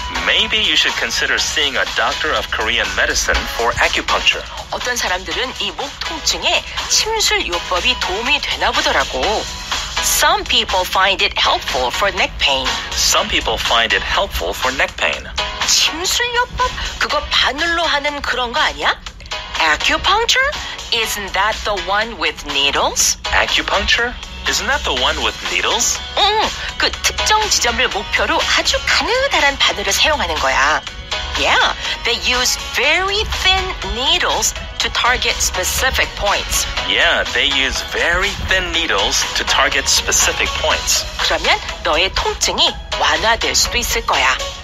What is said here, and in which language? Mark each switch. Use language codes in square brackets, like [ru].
[en] Maybe you should consider seeing a doctor of Korean medicine for acupuncture. [ko] 어떤 사람들은 이 목 통증에 침술 요법이 도움이 되나 보더라고. [en] Some people find it helpful for neck pain. Some people find it helpful for neck pain. [ko] 침술 요법? 그거 바늘로 하는 그런 거 아니야? [en] Acupuncture? Isn't that the one with needles? Acupuncture? Isn't that the one with needles? [ko] 응, 그 특정 지점을 목표로 아주 가느다란 바늘을 사용하는 거야. [en] Yeah, they use very thin needles to target specific points. Yeah, they use very thin needles to target specific points. [ko] 그러면 너의 통증이 완화될 수도 있을 거야.